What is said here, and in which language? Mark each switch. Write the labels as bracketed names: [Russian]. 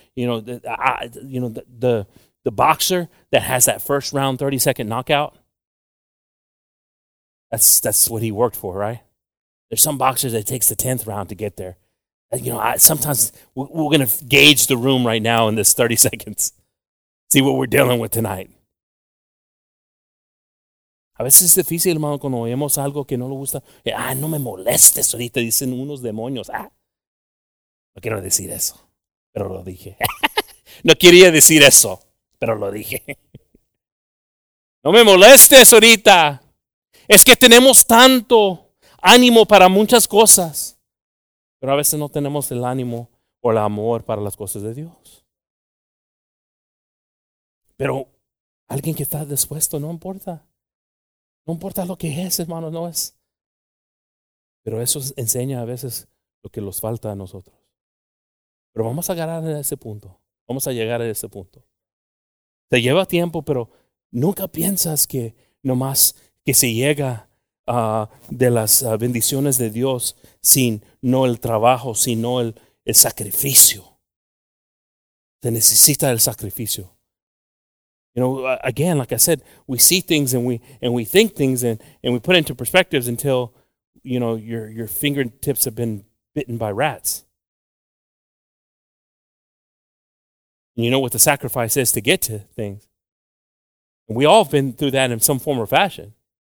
[English] You know, the boxer that has that first round 30-second knockout, that's what he worked for, right? There's some boxers that takes the 10th round to get there. You know, we're going to gauge the room right now in this 30 seconds, see what we're dealing with tonight. [Spanish] A veces es difícil, hermano, cuando oímos algo que no le gusta. Ah, no me molestes ahorita, dicen unos demonios. Ah, no quiero decir eso, pero lo dije. No quería decir eso, pero lo dije. No me molestes ahorita. Es que tenemos tanto ánimo para muchas cosas, pero a veces no tenemos el ánimo o el amor para las cosas de Dios. Pero alguien que está dispuesto, no importa. No importa lo que es, hermano, no es. Pero eso enseña a veces lo que nos falta a nosotros. Pero vamos a agarrar a ese punto. Vamos a llegar a ese punto. Te lleva tiempo, pero nunca piensas que nomás que se llega de las bendiciones de Dios sin no el trabajo, sino el sacrificio. Se necesita el sacrificio. [English] You know, again, like I said, we see things and we think things and we put into perspectives until, you know, your fingertips have been bitten by rats. And you know what the sacrifice is to get to things. And we all have been through that in some form or fashion.